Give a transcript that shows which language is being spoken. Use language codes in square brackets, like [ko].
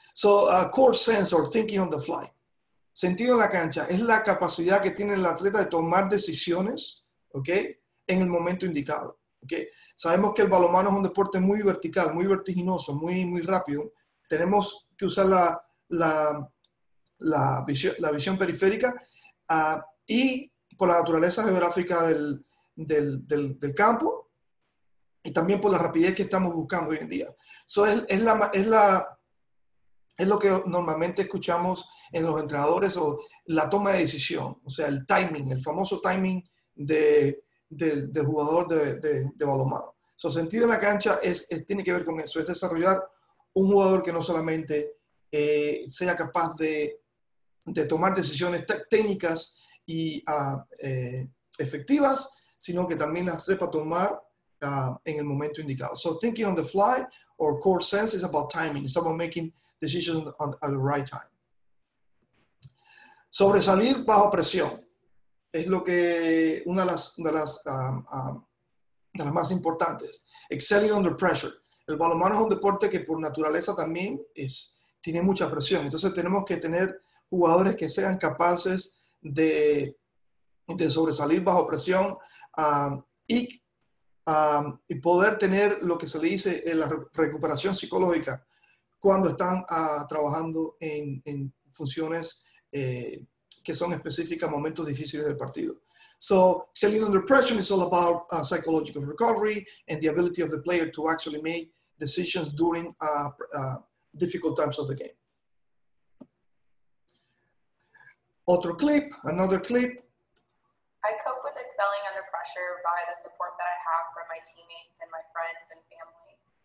[en] So, court sense or thinking on the fly. [es] Sentido en la cancha es la capacidad que tiene el atleta de tomar decisiones, okay, en el momento indicado. Okay? Sabemos que el balonmano es un deporte muy vertical, muy vertiginoso, muy, muy rápido. Tenemos que usar la visión periférica. Y por la naturaleza geográfica del campo y también por la rapidez que estamos buscando hoy en día. So es lo que normalmente escuchamos en los entrenadores o la toma de decisión, o sea, el timing, el famoso timing del jugador de balonmano. So, sentido en la cancha es tiene que ver con eso, es desarrollar un jugador que no solamente sea capaz de tomar decisiones técnicas y efectivas, sino que también las sepa tomar en el momento indicado. [en] So thinking on the fly or core sense is about timing. It's about making decisions at the right time. [es] Sobresalir bajo presión es lo que una de las más importantes. [en] Excelling under pressure. [es] El balonmano es un deporte que por naturaleza también tiene mucha presión. Entonces tenemos que tener jugadores que sean capaces de sobresalir bajo presión y poder tener lo que se le dice la recuperación psicológica cuando están trabajando en funciones que son específicas, momentos difíciles del partido. [en] So, selling under pressure is all about psychological recovery and the ability of the player to actually make decisions during difficult times of the game. [es] Otro clip, [en] another clip. I cope with excelling under pressure by the support that I have from my teammates and my friends and family.